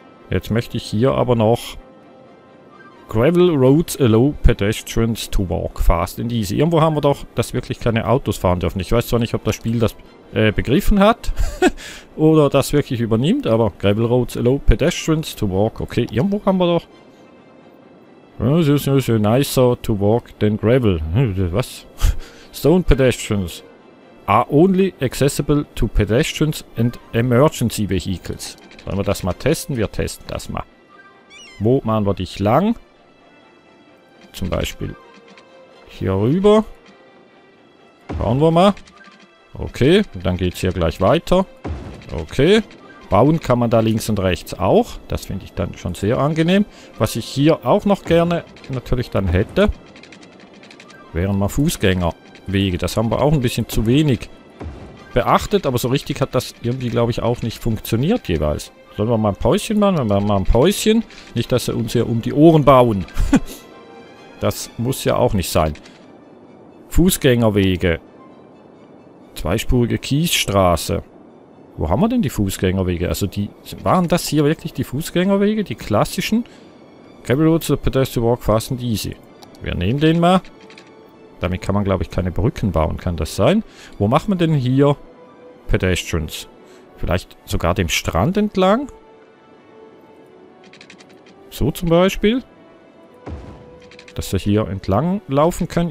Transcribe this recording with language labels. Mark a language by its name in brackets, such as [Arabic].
[German] Jetzt möchte ich hier aber noch [English] Gravel Roads allow pedestrians to walk fast in these. [German] Irgendwo haben wir doch, dass wirklich keine Autos fahren dürfen. Ich weiß zwar nicht, ob das Spiel das begriffen hat oder das wirklich übernimmt, aber [English] Gravel Roads allow pedestrians to walk. [German] Okay, irgendwo haben wir doch. [English] This is also nicer to walk than gravel. [German] Was? [English] Stone pedestrians are only accessible to pedestrians and emergency vehicles. [German] Sollen wir das mal testen? Wir testen das mal. Wo machen wir dich lang? Zum Beispiel hier rüber. Schauen wir mal. Okay, und dann geht es hier gleich weiter. Okay. Bauen kann man da links und rechts auch. Das finde ich dann schon sehr angenehm. Was ich hier auch noch gerne natürlich dann hätte, wären mal Fußgängerwege. Das haben wir auch ein bisschen zu wenig beachtet. Aber so richtig hat das irgendwie, glaube ich, auch nicht funktioniert jeweils. Sollen wir mal ein Päuschen machen? Wenn wir mal ein Päuschen. Nicht, dass sie uns hier um die Ohren bauen. Das muss ja auch nicht sein. Fußgängerwege. Zweispurige Kiesstraße. Wo haben wir denn die Fußgängerwege? Also die, waren das hier wirklich die Fußgängerwege? Die klassischen? [English] Gravel Roads allow pedestrians to walk fast and easy. [German] Wir nehmen den mal. Damit kann man, glaube ich, keine Brücken bauen, kann das sein? Wo macht man denn hier Pedestrians? Vielleicht sogar dem Strand entlang? So zum Beispiel. Dass wir hier entlang laufen können.